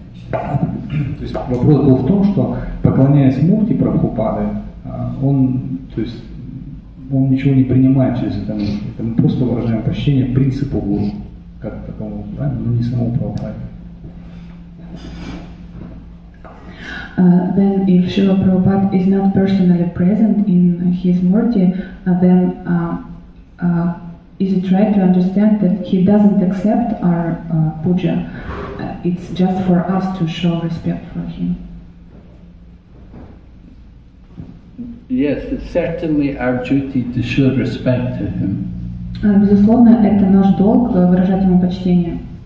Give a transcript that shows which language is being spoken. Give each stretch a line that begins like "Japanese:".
Russian: То есть вопрос был в том, что поклоняясь мурти Прабхупады, он, то есть, он ничего не принимает через это мурти. Мы просто выражаем прощение принципу гуру, как такому, да, но не самому Прабхупаде.
English: Then if Srila Prabhupada is not personally present in his murti, then is it right to understand that he doesn't accept our puja? It's just for us to show respect for him. Yes, it's certainly our duty to show respect to him.
Russian: Безусловно, это наш долг выражать ему почтение.